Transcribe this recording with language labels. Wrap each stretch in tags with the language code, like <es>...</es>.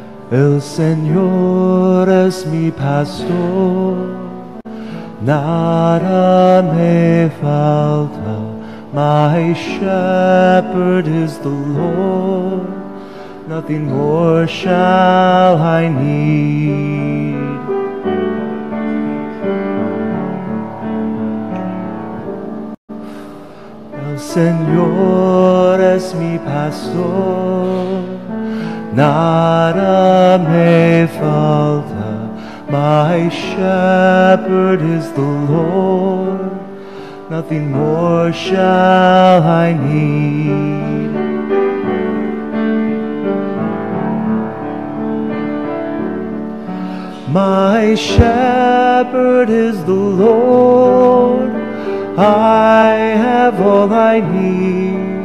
<es>El Señor es mi pastor, nada me falta.</es> <en>My shepherd is the Lord, nothing more shall I need.</en> <es>El Señor es mi pastor, nada me falta.</es> <en>My shepherd is the Lord, nothing more shall I need. My shepherd is the Lord, I have all I need.</en>